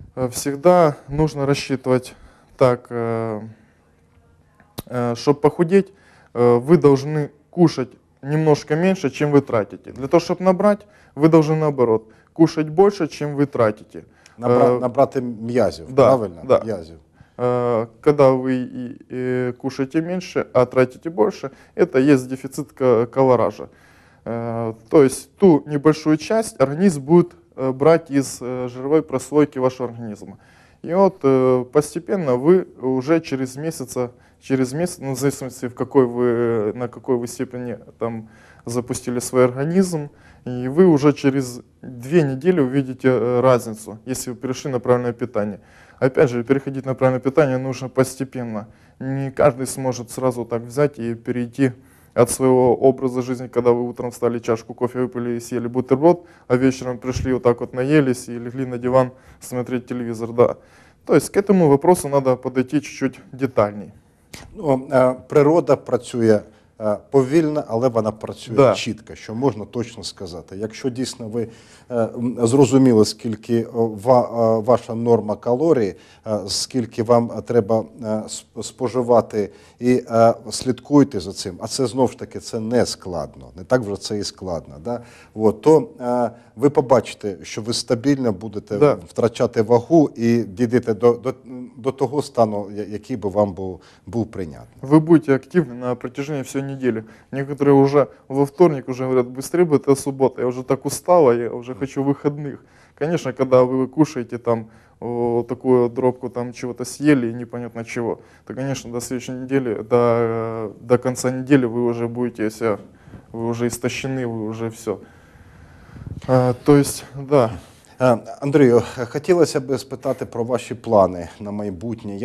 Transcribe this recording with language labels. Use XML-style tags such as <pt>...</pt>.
<ru>Всегда нужно рассчитывать так, чтобы похудеть, вы должны кушать немножко меньше, чем вы тратите. Для того, чтобы набрать, вы должны наоборот кушать больше, чем вы тратите. Набрать м'язів, да, правильно? Да. М'язів. Когда вы кушаете меньше, а тратите больше, это есть дефицит калоража. То есть ту небольшую часть организм будет брать из жировой прослойки вашего организма. И вот постепенно вы уже через месяца, ну, в зависимости, на какой вы степени там запустили свой организм, и вы уже через две недели увидите разницу, если вы перешли на правильное питание. Опять же, переходить на правильное питание нужно постепенно. Не каждый сможет сразу так взять и перейти от своего образа жизни, когда вы утром встали, чашку кофе выпили и съели бутерброд, а вечером пришли вот так вот наелись и легли на диван смотреть телевизор. Да. То есть к этому вопросу надо подойти чуть-чуть детальней.</ru> <uk>Ну, природа працює повільно, але вона працює чітко, що можна точно сказати. Якщо дійсно ви зрозуміли, скільки ваша норма калорій, скільки вам треба споживати і слідкуєте за цим, а це знову ж таки це не складно, не так вже це і складно, да? От, то ви побачите, що ви стабільно будете втрачати вагу і дійдете до того стану, який би вам був прийнятний. Ви будете активні на протяжении всього недели.</uk> <ru>Некоторые уже во вторник уже говорят, быстрее бы, это суббота, я уже так устала, я уже хочу выходных. Конечно, когда вы кушаете там такую дробку, там чего-то съели и непонятно чего, то, конечно, до следующей недели, до конца недели вы уже будете себя, вы уже истощены, вы уже все. То есть, да.</ru> <uk>Андрію, хотілося б спитати про ваші плани на майбутнє.</uk>